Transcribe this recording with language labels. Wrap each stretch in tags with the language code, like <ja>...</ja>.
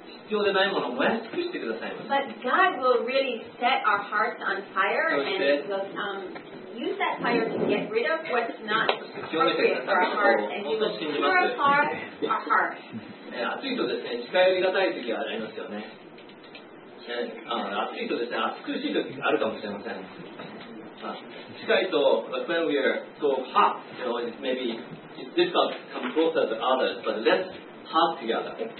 <en>But God will really set our hearts on fire and use that fire to get rid of what's not appropriate for our hearts and purify our hearts.</en> <ja>暑いとですね、近寄りがたい時がありますよね。暑いとですね、暑苦しい時があるかもしれません。近いと、</ja> <en>like, when we are so hot, you know, it's maybe it's difficult to come closer to others, but let's talk together.</en>